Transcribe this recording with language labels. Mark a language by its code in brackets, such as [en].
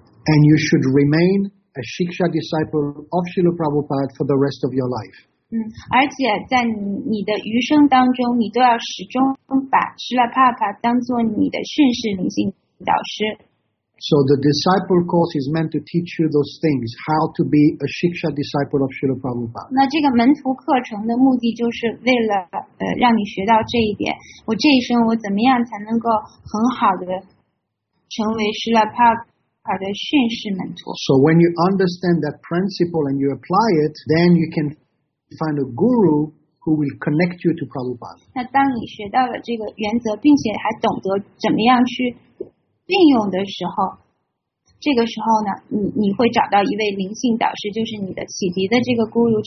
[en] And you should remain a Shiksha disciple of Srila Prabhupada for the rest of your life. [zh] 而且在 你的余生当中，你都要始终把 Srila Prabhupada 当作你的训士灵性导师。 [en] So the disciple course is meant to teach you those things, how to be a Shiksha disciple of Srila Prabhupada. [zh] 那这个门徒课程的目的就是为了让你学到这一点。我这一生我怎么样才能够很好的成为 Srila Prabhupada? [en] So when you understand that principle and you apply it, then you can find a guru who will connect you to Prabhupada. [zh] 那当你学到了这个原则，并且还懂得怎么样去运用的时候，这个时候呢，你会找到一位灵性导师，就是你的启迪的这个 guru。